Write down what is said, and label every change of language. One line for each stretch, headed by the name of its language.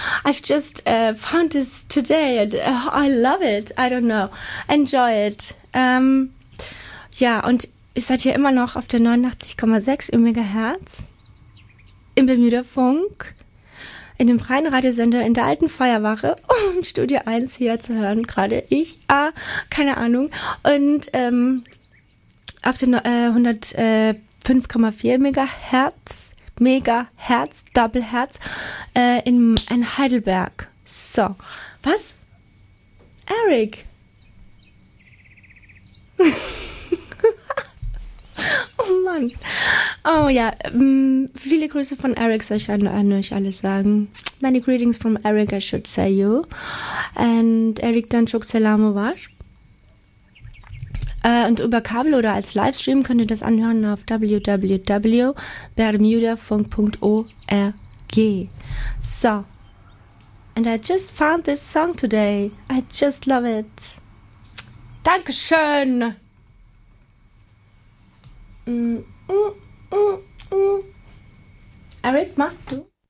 English: I've just found this today and I love it. I don't know. Enjoy it.
German: Ja, und ihr seid hier immer noch auf der 89,6 im Megahertz, im Bermuda Funk, in dem freien Radiosender in der alten Feuerwache, um Studio 1 hier zu hören, gerade ich, keine Ahnung, und auf der 105,4 Megahertz, Megahertz, Doppelherz, in Heidelberg. So, was? Eric? Oh Mann. Oh ja, viele Grüße von Eric, soll ich an euch alles sagen.
English: Many greetings from Eric, I should say you.
Turkish: And Eric, dann çok selamı var.
German: Und über Kabel oder als Livestream könnt ihr das anhören auf www.bermudafunk.org.
English: So, and I just found this song today. I just love it.
German: Dankeschön. Eric, machst du?